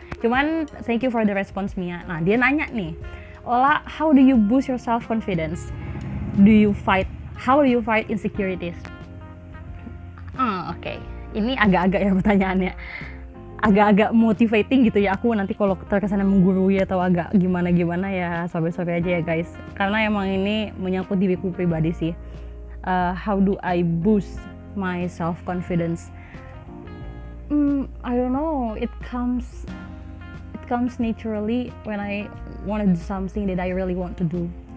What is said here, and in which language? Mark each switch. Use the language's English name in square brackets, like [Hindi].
[Indonesian] Cuman [English] thank you for the response Mia. [Indonesian] Nah dia nanya nih, [English] Ola, how do you boost your self confidence? Do you fight? How do you fight insecurities? Okay. [Indonesian] Ini agak-agak ya pertanyaannya. Agak-agak motivating gitu ya aku nanti kalau terkesannya menggurui atau agak gimana-gimana ya sabar-sabar aja ya guys. Karena emang ini menyangkut diriku pribadi sih. [English] How do I boost my self-confidence? I don't know, it comes naturally when I wanna do something that I really want to do.